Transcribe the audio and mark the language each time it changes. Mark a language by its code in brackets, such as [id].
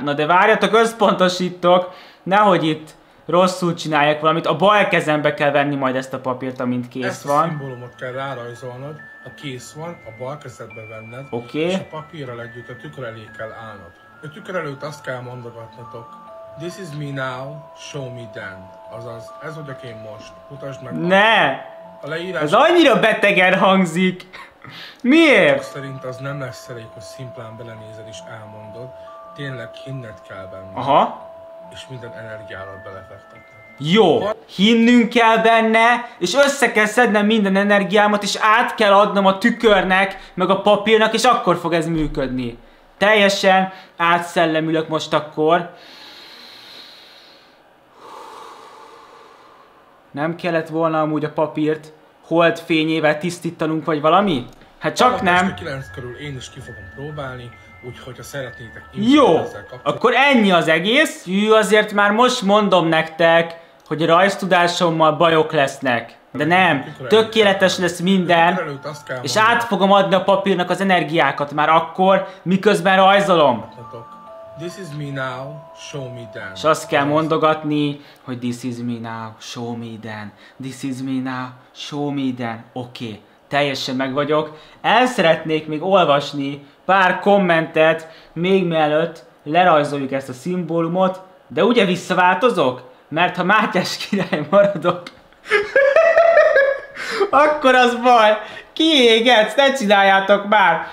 [hu] Na de várjatok, összpontosítok, nehogy itt rosszul csinálják valamit. A bal kezembe kell venni majd ezt a papírt, amint kész van. Ezt a szimbólumot kell rárajzolnod. Ha kész van, a bal kezedben venned. Oké. És a papírral együtt a tükör elé kell állnod. A tükör előtt azt kell mondogatnotok. [en] This is me now, show me then. [hu] Azaz, ez vagyok én most. Mutasd meg. Ne! A leírás... Ez annyira betegen hangzik! Miért? Szerint az nem lesz elég, hogy szimplán belenézed és elmondod. Tényleg hinned kell benne. Aha. És minden energiádat belefektetni. Jó. Hinnünk kell benne, és össze kell szednem minden energiámat, és át kell adnom a tükörnek, meg a papírnak, és akkor fog ez működni. Teljesen átszellemülök most akkor. Nem kellett volna amúgy a papírt hold fényével tisztítanunk, vagy valami? Hát csak valami nem. 9 körül én is ki fogom próbálni, úgyhogy ha szeretnétek... Jó! Akkor ennyi az egész. Jó, azért már most mondom nektek, hogy a rajztudásommal bajok lesznek. De nem, tökéletes lesz minden, és át fogom adni a papírnak az energiákat már akkor, miközben rajzolom. [en] This is me now, show me then. [hu] És azt kell mondogatni, hogy [en] this is me now, show me then. This is me now, show me then. [hu] Oké, teljesen megvagyok. El szeretnék még olvasni pár kommentet, még mielőtt lerajzoljuk ezt a szimbólumot, de ugye visszaváltozok? Mert ha Mátyás király maradok, akkor az baj, kiégetsz, ne csináljátok már.